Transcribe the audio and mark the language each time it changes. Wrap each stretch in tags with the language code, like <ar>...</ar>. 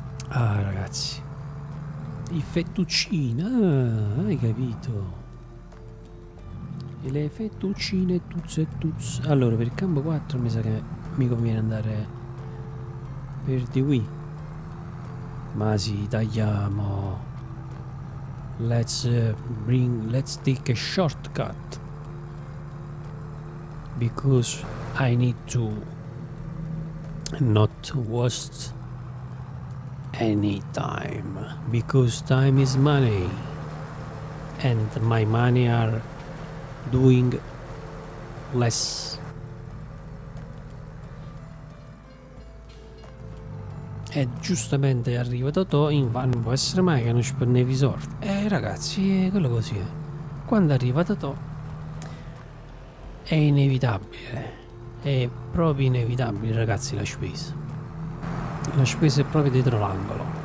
<it>Ah ragazzi, il fettuccino, hai capito? E le fettuccine tuzze tuzze. Allora, per il campo 4 mi sa che mi conviene andare per di qui. Ma si sì, tagliamo.</it> <en>Let's take a shortcut because I need to not waste any time, because time is money and my money are doing less.</en> <it>E giustamente è arrivato Totò, infatti non può essere mai che non ci prendevi sorte. Ragazzi, è quello così. Quando arriva Totò è inevitabile. È proprio inevitabile, ragazzi, la spesa. La spesa è proprio dietro l'angolo.</it>